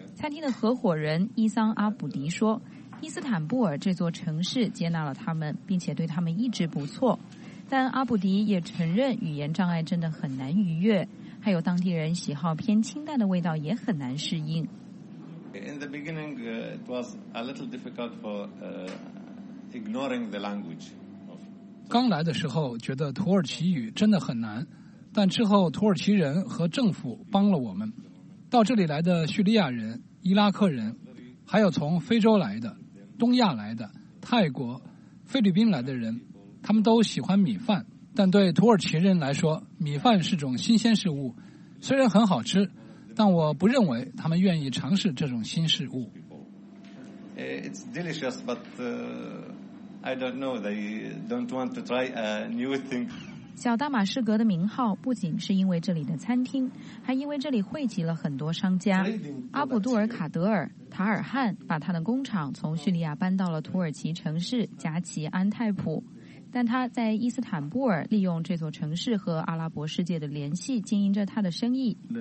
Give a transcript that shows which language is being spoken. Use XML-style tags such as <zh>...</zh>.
<zh>餐厅的合伙人伊桑阿卜迪说，伊斯坦布尔这座城市接纳了他们，并且对他们一直不错，但阿卜迪也承认语言障碍真的很难逾越，还有当地人喜好偏清淡的味道也很难适应。</zh> <en>In the beginning, it was a little difficult for ignoring the language.</en> <zh>刚来的时候觉得土耳其语真的很难，但之后土耳其人和政府帮了我们。到这里来的叙利亚人、伊拉克人，还有从非洲来的、东亚来的、泰国、菲律宾来的人，他们都喜欢米饭，但对土耳其人来说，米饭是种新鲜事物，虽然很好吃，但我不认为他们愿意尝试这种新事物。</zh> <en>It's delicious, but I don't know. They don't want to try a new thing.</en> <zh>小大马士革的名号不仅是因为这里的餐厅，还因为这里汇集了很多商家。阿卜杜尔卡德尔·塔尔汉把他的工厂从叙利亚搬到了土耳其城市加奇安泰普，但他在伊斯坦布尔利用这座城市和阿拉伯世界的联系经营着他的生意。</zh>